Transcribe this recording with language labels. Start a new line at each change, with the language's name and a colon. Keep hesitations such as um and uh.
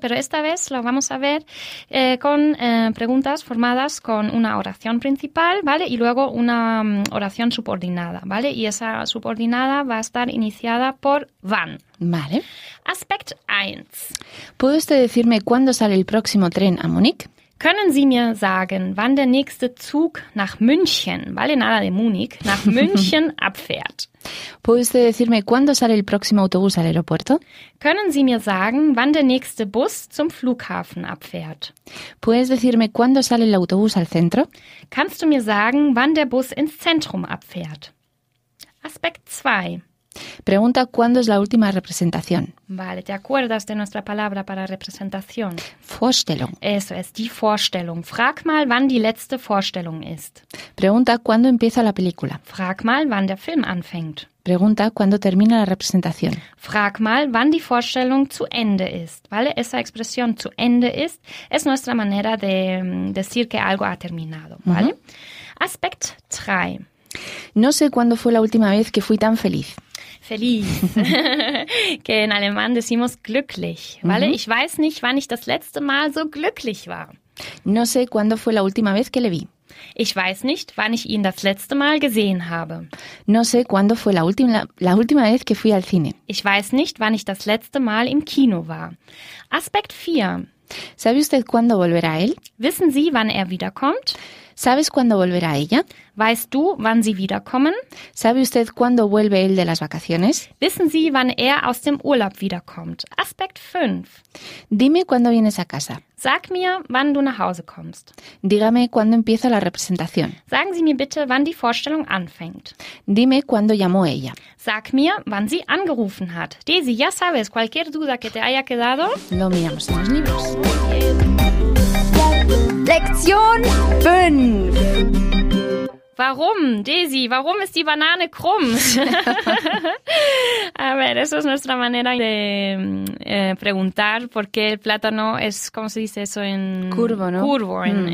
Spanish: Pero esta vez lo vamos a ver eh, con eh, preguntas formadas con una oración principal, ¿vale? Y luego una um, oración subordinada, ¿vale? Y esa subordinada va a estar iniciada por van. Vale. Aspect 1. ¿Puede usted decirme cuándo sale el próximo tren a Múnich?
German: Können Sie mir sagen, wann der nächste Zug nach München, Valenada de Munich, nach München abfährt?
Spanish: ¿Puedes decirme cuándo sale el próximo autobús al aeropuerto?
German: Können Sie mir sagen, wann der nächste Bus zum Flughafen abfährt?
Spanish: ¿Puedes decirme cuándo sale el autobús al centro?
German: Kannst du mir sagen, wann der Bus ins Zentrum abfährt? Aspekt 2.
Spanish: Pregunta cuándo es la última representación. Vale, ¿te acuerdas de nuestra palabra para representación?
German: Vorstellung.
Spanish: Eso es,
German: die Vorstellung. Frag mal, wann die letzte Vorstellung ist.
Spanish: Pregunta cuándo empieza la película.
German: Frag mal, wann der Film anfängt.
Spanish: Pregunta cuándo termina la representación.
German: Frag mal, wann die Vorstellung zu Ende ist.
Spanish: Vale, esa expresión
German: zu Ende ist
Spanish: es nuestra manera de decir que algo ha terminado. Vale. Uh -huh. Aspect 3. No sé cuándo fue la última vez que fui tan feliz. feliz. okay, in Alemann decimos glücklich.
German: Weil ich weiß nicht, wann ich das letzte Mal so glücklich war.
Spanish: No sé cuándo fue la última vez que le vi.
German: Ich weiß nicht, wann ich ihn das letzte Mal gesehen habe.
Spanish: No sé cuándo fue la última, la, la última vez que fui al cine.
German: Ich weiß nicht, wann ich das letzte Mal im Kino war. Aspekt 4.
Spanish: ¿Sabe cuándo volverá él?
German: Wissen Sie, wann er wiederkommt?
Spanish: ¿Sabes ella?
German: Weißt du, wann sie wiederkommen?
Spanish: ¿Sabe usted cuándo vuelve él de las vacaciones?
German: Wissen Sie, wann er aus dem Urlaub wiederkommt? Aspekt 5.
Spanish: Dime cuándo vienes a casa.
German: Sag mir, wann du nach Hause kommst.
Spanish: Dígame cuándo empieza la representación.
German: Sagen Sie mir bitte, wann die Vorstellung anfängt.
Spanish: Dime cuándo llamó ella.
German: Sag mir, wann sie angerufen hat.
Spanish: Daisy, ya sabes, cualquier duda que te haya quedado. Lo miramos en los libros. Yeah. Lección 5. Desi, Daisy, qué es la banana krumm? a ver, eso es nuestra manera de eh, preguntar por qué el plátano es, ¿cómo se dice eso en curvo, ¿no? curvo en, mm.